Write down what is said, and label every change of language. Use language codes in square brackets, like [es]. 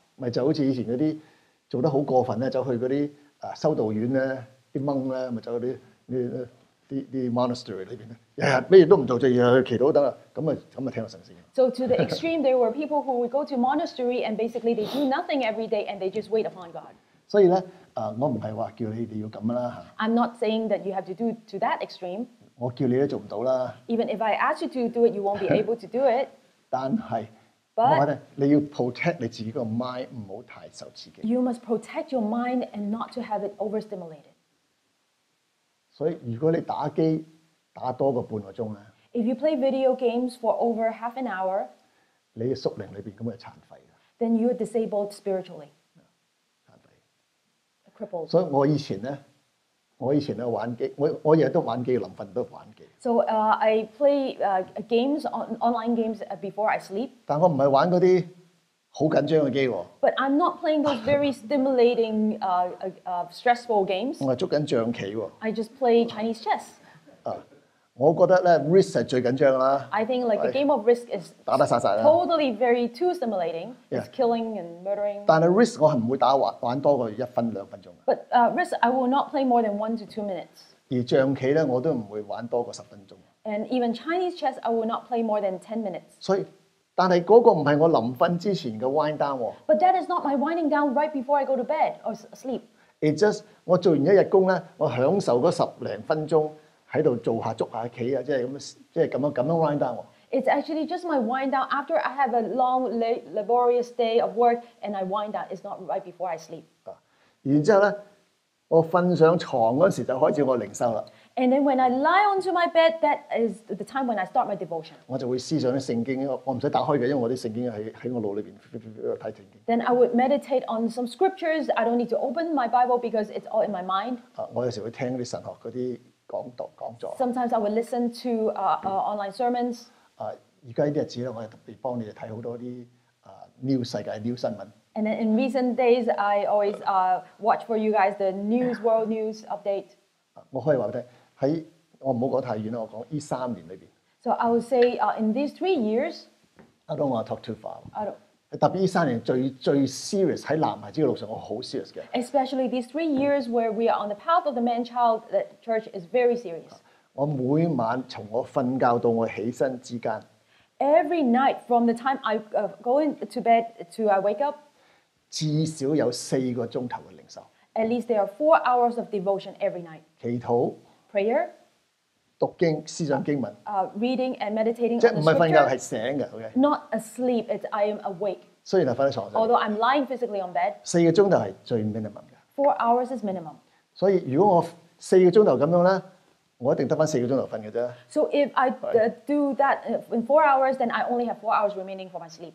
[yue] 咪就好似以前嗰啲做得好過分咧，走去嗰啲修道院咧，啲monk咧，咪走嗰啲monastery 裏邊咧，日日咩嘢都唔做，就日日去祈禱得啦。咁咪聽到神聲。 [en] So to the extreme, there were people who would go to monastery and basically they do nothing every day and they just wait upon God. [yue] 所以咧，我唔係話叫你要咁啦嚇。 [en] I'm not saying that you have to do to that extreme. [yue] 我叫你都做唔到啦。 [en] Even if I ask you to do it, you won't be able to do it. [yue] 但係，我話咧，你要 protect 你自己個 mind 唔好太受刺激。 [en] You must protect your mind and not to have it overstimulated. [yue] 所以如果你打機打多個半個鐘咧 [en] ，If you play video games for over half an hour， [yue] 你嘅屬靈裏邊咁嘅殘廢嘅 [en] ，Then you are disabled spiritually. [yue] 殘廢 [en] ，crippled. [yue] 所以我以前咧。我以前咧玩機，我日日都玩機，臨瞓都玩機。 [en] So I play games online games before I sleep. [yue] 但我唔係玩嗰啲好緊張嘅機喎。 [en] But I'm not playing those very stimulating stressful games. [yue] 我係捉緊象棋喎。 [en] I just play Chinese chess. [yue] 我覺得咧 risk 係最緊張啦。 [en] I think like a game of risk is [yue] 打打殺殺啦。 [en] Totally very too stimulating. It's killing and murdering. [yue] 但係 risk 我係唔會打玩多過一分兩分鐘。 [en] But risk I will not play more than 1 to 2 minutes. [yue] 而象棋咧我都唔會玩多過十分鐘。 [en] And even Chinese chess I will not play more than 10 minutes. [yue] 所以，但係嗰個唔係我臨瞓之前嘅 wind down 喎。 [en] But that is not my winding down right before I go to bed or sleep. It just [yue] 我做完一日工咧，我享受嗰十零分鐘。喺度做下捉下棋啊，即係咁樣 wind down 喎。 [en] It's actually just my wind down after I have a long laborious day of work and I wind down. It's not right before I sleep. [yue] 然之後咧，我瞓上牀嗰時就開始我靈修啦。 [en] And then when I lie onto my bed, that is the time when I start my devotion. [yue] 我就會思想啲聖經，我唔使打開嘅，因為我啲聖經喺我腦裏邊睇聖經。 [en] Then I would meditate on some scriptures. I don't need to open my Bible because it's all in my mind. [yue] 我有時會聽啲神學嗰啲。 [en] Sometimes I would listen to online sermons. [yue] 而家呢啲日子咧，我係特別幫你哋睇好多啲news 世界 news 新聞。 [en] And then in recent days, I always watch for you guys the news world news update. [yue] 我可以話俾你聽，喺我唔好講太遠啦，我講依三年裏邊。 [en] So I would say in these 3 years. I don't want to talk too far. I don't. [yue] 特別依三年最 serious 喺南孩子嘅路上，我好 serious 嘅。 [en] Especially these 3 years where we are on the path of the man child, that church is very serious. [yue] 我每晚從我瞓覺到我起身之間 [en] ，every night from the time I go into bed to I wake up， [yue] 至少有4個鐘頭嘅靈修。 [en] At least there are 4 hours of devotion every night. [yue] 祈禱 [en] ，prayer， [yue] 讀經思想經文。 [en] Reading and meditating. [yue] 即係唔係瞓覺，係醒嘅。OK。 [en] Not asleep. It's I am awake. [yue] 雖然係瞓喺牀上。 [en] Although I'm lying physically on bed. [yue] 4個鐘頭係最 minimum 嘅。 [en] 4 hours is minimum. [yue] 所以如果我4個鐘頭咁樣咧，我一定得翻四個鐘頭瞓嘅啫。 [en] So if I do that in 4 hours, then I only have 4 hours remaining for my sleep.